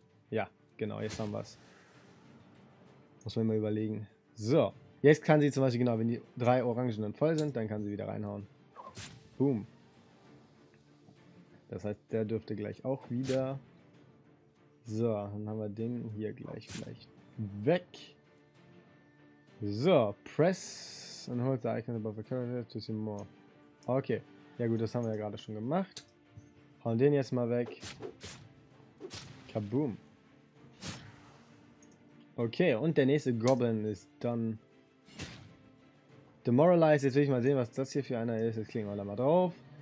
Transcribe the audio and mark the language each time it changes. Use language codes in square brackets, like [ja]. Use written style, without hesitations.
[de] Ja, genau, jetzt haben wir es. Muss man mal überlegen. So, jetzt kann sie zum Beispiel, genau, wenn die 3 Orangen dann voll sind, dann kann sie wieder reinhauen. Boom. Das heißt, der dürfte gleich auch wieder. So, dann haben wir den hier gleich vielleicht weg. [en] So, press and hold the icon above the character to see more. Okay. [de] Ja gut, das haben wir ja gerade schon gemacht. Hauen den jetzt mal weg. Kaboom. Okay, und der nächste Goblin ist dann demoralized. Jetzt will ich mal sehen, was das hier für einer ist. Jetzt klicken wir da mal drauf.